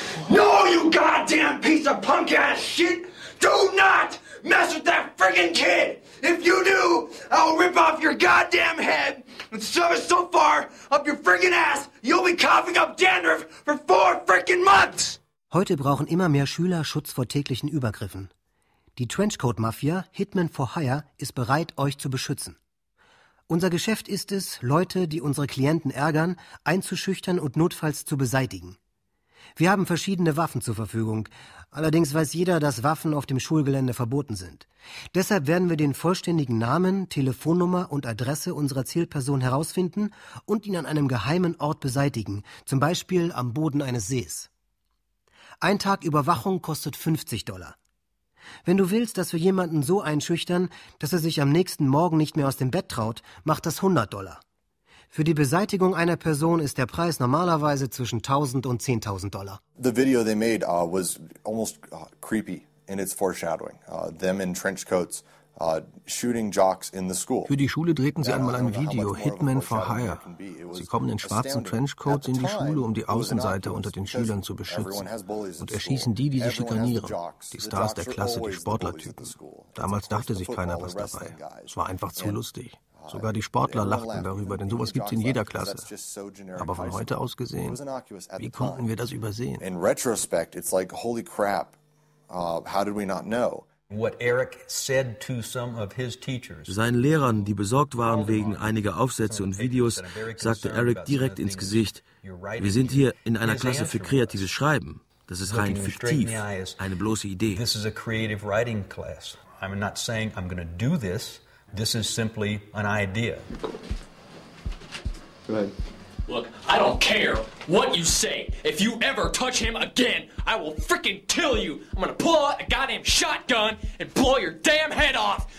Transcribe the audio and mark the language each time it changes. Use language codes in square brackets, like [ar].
[en] No, you goddamn piece of punk-ass shit! Do not mess with that friggin' kid! If you do, I'll rip off your goddamn head and shove it so far up your friggin' ass, you'll be coughing up dandruff for 4 friggin' months! [de] Heute brauchen immer mehr Schüler Schutz vor täglichen Übergriffen. Die Trenchcoat-Mafia, Hitman for Hire, ist bereit, euch zu beschützen. Unser Geschäft ist es, Leute, die unsere Klienten ärgern, einzuschüchtern und notfalls zu beseitigen. Wir haben verschiedene Waffen zur Verfügung. Allerdings weiß jeder, dass Waffen auf dem Schulgelände verboten sind. Deshalb werden wir den vollständigen Namen, Telefonnummer und Adresse unserer Zielperson herausfinden und ihn an einem geheimen Ort beseitigen, zum Beispiel am Boden eines Sees. Ein Tag Überwachung kostet $50. Wenn du willst, dass wir jemanden so einschüchtern, dass er sich am nächsten Morgen nicht mehr aus dem Bett traut, macht das $100. Für die Beseitigung einer Person ist der Preis normalerweise zwischen $1,000 and $10,000. [en] The video they made was almost creepy in its foreshadowing. Them in trench coats shooting jocks in the school. [de] Für die Schule drehten sie einmal ein Video, Hitmen for Hire. Sie kommen in schwarzen Trenchcoats in die Schule, um die Außenseite unter den Schülern zu beschützen und erschießen die, die sie schikanieren. Die Stars der Klasse, die Sportlertypen. Damals dachte sich keiner was dabei. Es war einfach zu lustig. Sogar die Sportler lachten darüber, denn sowas gibt es in jeder Klasse. Aber von heute aus gesehen, wie konnten wir das übersehen? [en] In retrospect, it's like, holy crap, how did we not know? What Eric said to some of his teachers. [de] Seinen Lehrern, die besorgt waren wegen einiger Aufsätze und Videos, sagte Eric direkt ins Gesicht, wir sind hier in einer Klasse für kreatives Schreiben. Das ist rein fiktiv, eine bloße Idee. [en] This is a creative writing class. I'm not saying I'm going to do this. This is simply an idea. Go ahead. Look, I don't care what you say. If you ever touch him again, I will freaking kill you. I'm gonna pull out a goddamn shotgun and blow your damn head off.